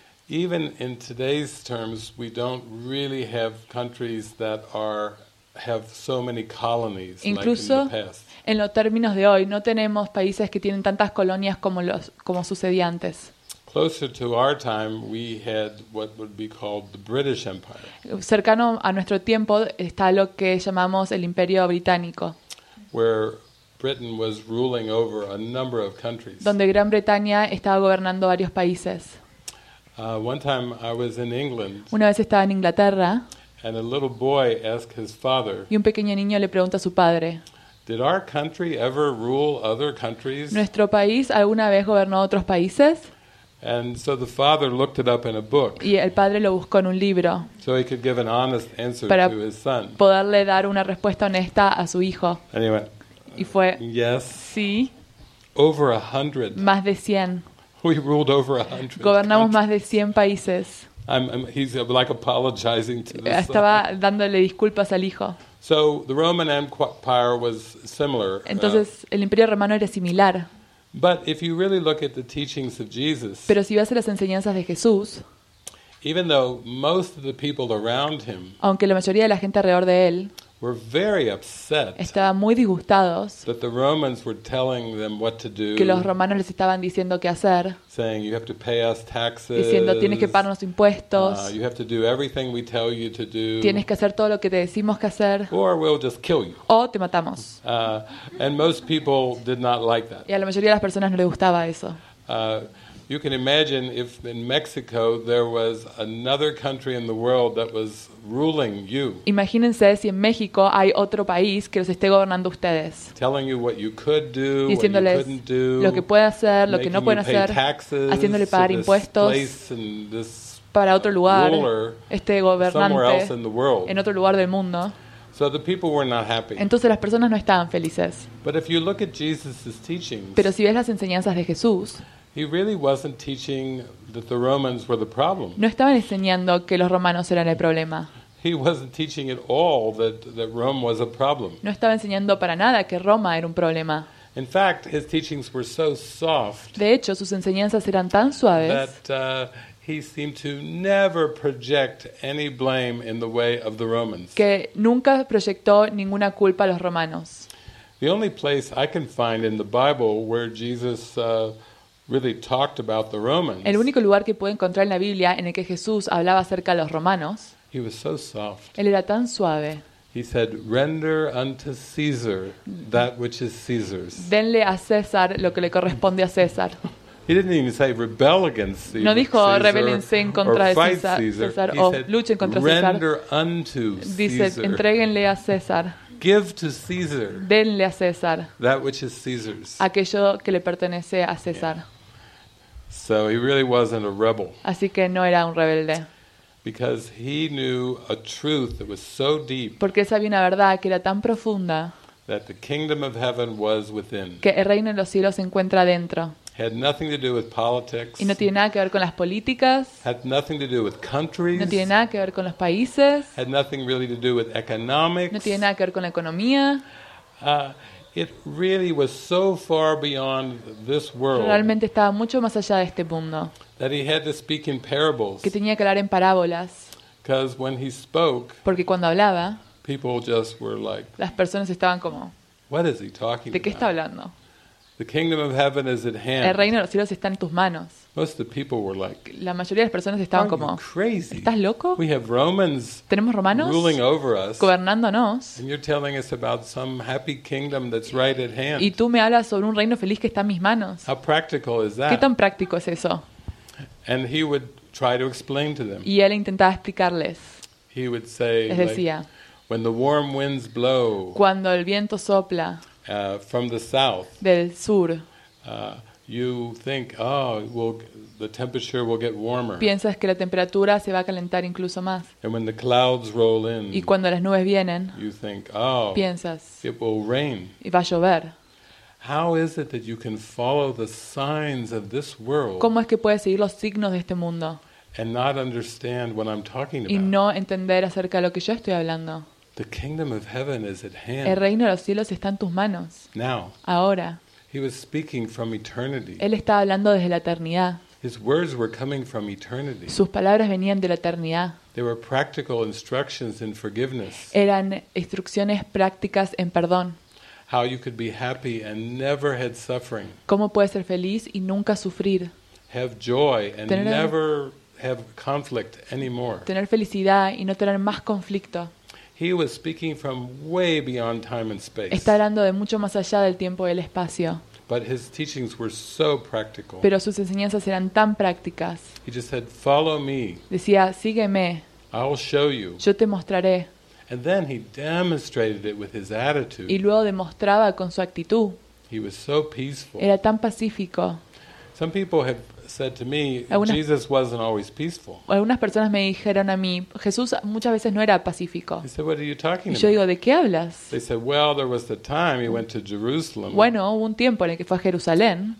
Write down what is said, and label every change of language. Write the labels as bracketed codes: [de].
[en] Even in today's terms, we don't really have countries that have so many colonies [es] incluso, [en] like in the past. [es] en los términos de hoy. No tenemos países que tienen tantas colonias como sucedía antes. [en] Closer to our time, we had what would be called the British Empire. [es] Cercano a nuestro tiempo está lo que llamamos el Imperio Británico. [en] Where Britain was ruling over a number of countries. [es] Donde Gran Bretaña estaba gobernando varios países. [en] One time I was in England. [es] Una vez estaba en Inglaterra. [en] And a little boy asked his father. [es] Y un pequeño niño le pregunta a su padre. [en] Did our country ever rule other countries? [es] ¿Nuestro país alguna vez gobernó otros países? [en] And so the father looked it up in a book. [es] Y el padre lo buscó en un libro. [en] So he could give an honest answer [es] para [en] to his son. [es] Poderle dar una respuesta honesta a su hijo. [en] Anyway. [es] Y fue. [en] Yes. [es] Sí. [en] Over 100. [es] Más de 100. [en] We ruled over 100. [es] Gobernamos más de 100 países. [en] He's like apologizing to the son. [es] Estaba dándole disculpas al hijo. [en] So the Roman Empire was similar. [es] Entonces el Imperio Romano era similar. [en] But if you really look at the teachings of Jesus, [es] pero si vas a las enseñanzas de Jesús, [en] even though most of the people around him, [es] aunque la mayoría de la gente alrededor de él, [en] were very upset, [es] estaban muy disgustados, [en] that the Romans were telling them what to do, [es] que los romanos les estaban diciendo qué hacer, [en] saying you have to pay us taxes, [es] diciendo tienes que pagarnos impuestos, [en] you have to do everything we tell you to do, [es] tienes que hacer todo lo que te decimos que hacer, [en] or we'll just kill you, [es] o te matamos, [en] and most people did not like that, [es] y a la mayoría de las personas no les gustaba eso. [en] You can imagine if in Mexico there was another country in the world that was ruling you. [es] Imagínense si en México hay otro país que los esté gobernando ustedes. [en] Telling you what you could do, [es] diciéndoles [en] what you couldn't do, [es] lo que puede hacer, lo que no puede hacer, [en] taxes, [es] haciéndole pagar impuestos para otro lugar, [en] ruler, [es] este gobernante [en] somewhere else in the world. [es] En otro lugar del mundo. [en] So the people were not happy. [es] Entonces las personas no estaban felices. [en] But if you look at Jesus's teachings, [es] pero si ves las enseñanzas de Jesús, [en] he really wasn't teaching that the Romans were the problem. [es] No estaba enseñando que los romanos eran el problema. [en] He wasn't teaching at all that Rome was a problem. [es] No estaba enseñando para nada que Roma era un problema. [en] In fact, his teachings were so soft. [es] De hecho, sus enseñanzas eran tan suaves. [en] That he seemed to never project any blame in the way of the Romans. [es] Que nunca proyectó ninguna culpa a los romanos. [en] The only place I can find in the Bible where Jesus really talked about the Romans. [es] El único lugar que puedo encontrar en la Biblia en el que Jesús hablaba acerca de los romanos. [en] He was so soft. [es] Él era tan suave. [en] He said, "Render unto Caesar that which is Caesar's." [es] Denle a César lo que le corresponde a César. [en] He didn't even say rebel against Caesar. [es] No dijo rebelense en contra de César o luchen contra César. [en] Render unto Caesar. [es] Dice, entréguenle a César. [en] Give to Caesar. [es] Denle a César. [en] That which is Caesar's. [es] Aquello que le pertenece a César. [en] So he really wasn't a rebel. [es] Así que no era un rebelde. [en] Because he knew a truth that was so deep. [es] Porque sabía una verdad que era tan profunda. [en] That the kingdom of heaven was within. [es] Que el reino de los cielos se encuentra dentro. [en] Had nothing to do with politics. [es] Y no tiene nada que ver con las políticas. [en] Had nothing to do with countries. [es] No tiene nada que ver con los países. [en] Had nothing really to do with economics. [es] No tiene nada que ver con la economía. [en] It really was so far beyond this world. [es] Realmente estaba mucho más allá de este mundo. [en] That he had to speak in parables. [es] Que tenía que hablar en parábolas. [en] Because when he spoke. [es] Porque cuando hablaba. [en] People just were like. [es] Las personas estaban como. [en] What is he talking about? [es] ¿De qué está hablando? [en] The kingdom of heaven is at hand. [es] El reino de los cielos está en tus manos. [en] Most of the people were like, [es] la mayoría de las personas estaban como, [en] crazy? [es] ¿Estás loco? [en] We have Romans, [es] tenemos romanos [en] ruling over us, [es] gobernándonos. [en] And you're telling us about some happy kingdom that's right at hand. [es] Y tú me hablas sobre un reino feliz que está en mis manos. [en] How practical is that? [es] ¿Qué tan práctico es eso? [en] And he would try to explain to them. [es] Y él intentaba explicarles. [en] He would say, [es] les decía, [en] like, when the warm winds blow, [es] cuando el viento sopla, [en] from the south. [es] Del sur. [en] You think, oh, well, the temperature will get warmer. [es] Piensas que la temperatura se va a calentar incluso más. [en] And when the clouds roll in. [es] Y cuando las nubes vienen. [en] You think, oh. [es] Piensas. [en] It will rain. [es] Y va a llover. [en] How is it that you can follow the signs of this world? [es] ¿Cómo es que puedes seguir los signos de este mundo? [en] And not understand what I'm talking about. [es] Y no entender acerca de lo que yo estoy hablando. [en] The kingdom of heaven is at hand. [es] El reino de los cielos está en tus manos. [en] Now. [es] Ahora. [en] He was speaking from eternity. [es] Él estaba hablando desde la eternidad. [en] His words were coming from eternity. [es] Sus palabras venían de la eternidad. [en] They were practical instructions in forgiveness. [es] Eran instrucciones prácticas en perdón. [en] How you could be happy and never had suffering. [es] ¿Cómo puedes ser feliz y nunca sufrir? [en] Have joy and never have conflict anymore. [es] Tener felicidad y no tener más conflicto. [en] He was speaking from way beyond time and space. [es] Está hablando de mucho más allá del tiempo y el espacio. [en] But his teachings were so practical. [es] Pero sus enseñanzas eran tan prácticas. [en] He just said, "Follow me." [es] Decía, sígueme. [en] I'll show you. [es] Yo te mostraré. [en] And then he demonstrated it with his attitude. [es] Y luego demostraba con su actitud. [en] He was so peaceful. [es] Era tan pacífico. [en] Some people have said to me, Jesus wasn't always peaceful. [es] Algunas personas me dijeron a mí, Jesús muchas veces no era pacífico. [en] They said, "What are you talking about?" [es] Y yo digo, ¿de qué hablas? [en] They said, "Well, there was the time he went to Jerusalem." [es] Bueno, hubo un tiempo en el que fue a Jerusalén.